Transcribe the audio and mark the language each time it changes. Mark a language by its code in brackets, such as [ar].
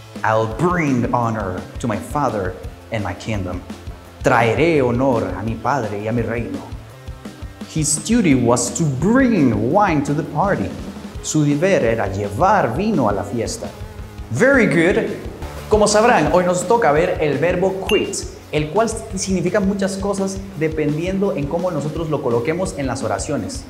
[en] I'll bring honor to my father and my kingdom. [es] Traeré honor a mi padre y a mi reino. [en] His duty was to bring wine to the party. [es] Su deber era llevar vino a la fiesta. [en] Very good. [es] Como sabrán, hoy nos toca ver el verbo quit, el cual significa muchas cosas dependiendo en cómo nosotros lo coloquemos en las oraciones.